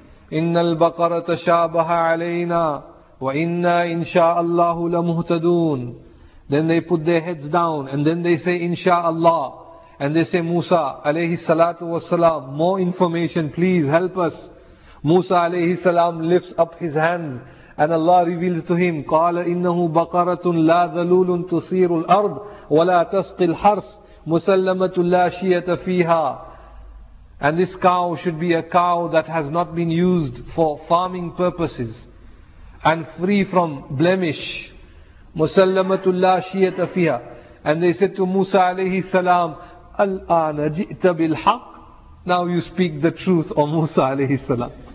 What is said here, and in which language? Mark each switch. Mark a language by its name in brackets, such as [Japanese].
[Arabic] إِنَّ الْبَقَرَ تَشَابَهَ عَلَيْنَا وَإِنَّا إِنْشَاءَ اللَّهُ لَمُهْتَدُونَ. [English] Then they put their heads down and then they say, Inshallah. And they say, Musa alayhi salatu wasalam, more information, please help us. Musa alayhi salam lifts up his hands. And Allah reveals to him, [Arabic] قَالَ إِنَّهُ بَقَرَةٌ لَا ذَلُولٌ تُصِيرُ الْأَرْضِ وَلَا تَسْقِي الْحَرْثِ مُسَلَّمَةٌ لَا شِيَةَ فِيهَا. [English] And this cow should be a cow that has not been used for farming purposes and free from blemish. [Arabic] مُسَلَّمَةٌ لَا شِيَةَ فِيهَا. [English] And they said to Musa alayhi salam, [Arabic] الْآنَ جِئْتَ بِالْحَقِّ. [English] Now you speak the truth, O Musa alayhi salam.